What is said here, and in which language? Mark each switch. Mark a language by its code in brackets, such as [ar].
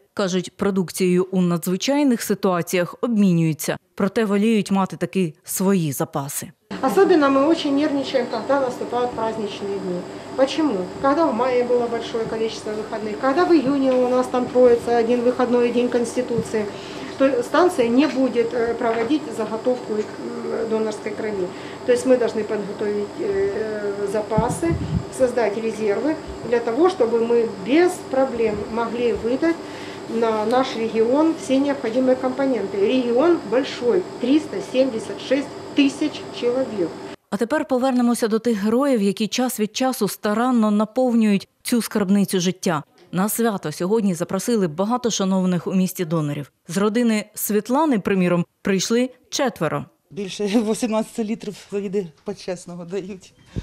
[uk] Кажуть, продукцією у надзвичайних ситуаціях обмінюються, проте воліють мати такі свої запаси. Особливо ми дуже нервничаємо, коли наступають праздничні дні. Чому? Коли в маї було велике кількість вихідних, коли в грудні у нас там троїться один вихідний день Конституції. [ru] что станция не будет проводить заготовку донорской крови. То есть мы должны подготовить запасы, создать резервы для того, чтобы мы без проблем могли выдать на наш регион все необходимые компоненты. Регион большой, 376 тысяч человек. [uk] А тепер повернемося до тих героїв, які час від часу старанно наповнюють цю скарбницю життя. На свято сьогодні запросили багато шановних у місті донорів. З родини Світлани, приміром, прийшли четверо. Більше 18 літрів за їди почесного дають.